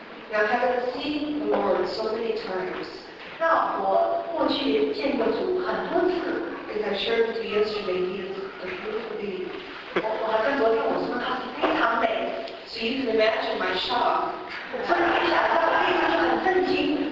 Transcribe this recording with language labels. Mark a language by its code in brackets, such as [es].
[en] Now, having seen the Lord so many times, [zh] 那我过去见过主很多次。 [en] As I shared with you yesterday, he is a beautiful being. [zh] 我好像昨天我说他是非常美。 [en] So you can imagine my shock. [zh] 所以你想，他的内心很震惊。